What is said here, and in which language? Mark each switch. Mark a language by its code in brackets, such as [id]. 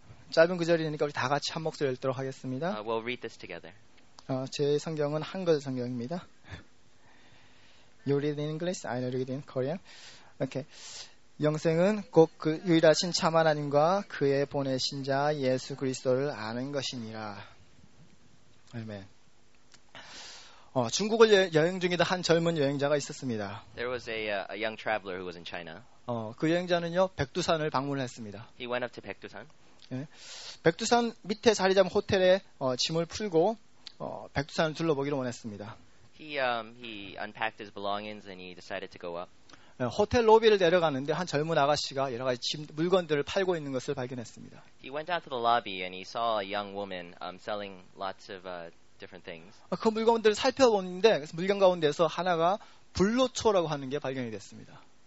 [ko] 짧은 구절이니까 우리 다 같이 한 목소리 읽도록 하겠습니다. [en] We'll read this together. [ko] 제 성경은 한글 성경입니다. [en] You read in English, I read in Korean. Okay. [ko] 영생은 곧 그 유일하신 참 하나님과 그의 보내신 자 예수 그리스도를 아는 것이니라. 아멘. 중국을 여행 중이던 한 젊은 여행자가 있었습니다. [en] There was a young traveler who was in China. [ko] 그 여행자는요, 백두산을 방문을 했습니다. [en] He went up to 백두산. [ko] 예. 백두산 밑에 자리 잡은 호텔에 짐을 풀고 백두산을 둘러보기로 원했습니다. [en] He unpacked his belongings and he decided to go up. [ko] 호텔 로비를 내려가는데 한 젊은 아가씨가 여러 가지 물건들을 팔고 있는 것을 발견했습니다. [en] He went out to the lobby and he saw a young woman selling lots of different things. [ko] 그 물건들을 살펴보는데 물건 가운데서 하나가 불로초라고 하는 게 발견이 됐습니다.